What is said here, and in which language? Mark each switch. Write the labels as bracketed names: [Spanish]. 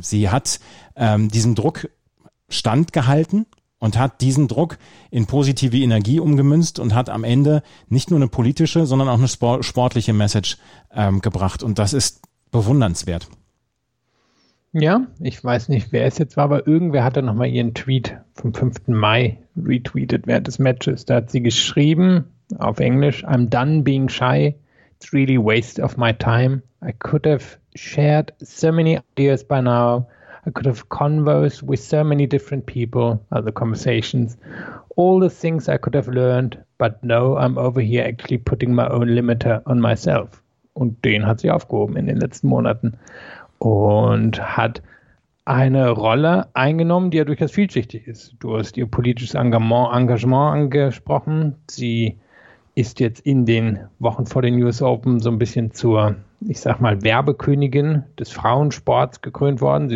[German] Sie hat diesen Druck standgehalten und hat diesen Druck in positive Energie umgemünzt und hat am Ende nicht nur eine politische, sondern auch eine sportliche Message gebracht. Und das ist bewundernswert. Ja, ich weiß nicht, wer es jetzt war, aber irgendwer hat da nochmal ihren Tweet vom 5. Mai retweetet während des Matches. Da hat sie geschrieben, auf Englisch, [English] I'm done being shy. It's really waste of my time. I could have shared so many ideas by now. I could have conversed with so many different people, other conversations. All the things I could have learned, but no, I'm over here actually putting my own limiter on myself. [German] Und den hat sie aufgehoben in den letzten Monaten. Und hat eine Rolle eingenommen, die ja durchaus vielschichtig ist. Du hast ihr politisches Engagement angesprochen. Sie ist jetzt in den Wochen vor den US Open so ein bisschen zur, ich sag mal, Werbekönigin des Frauensports gekrönt worden.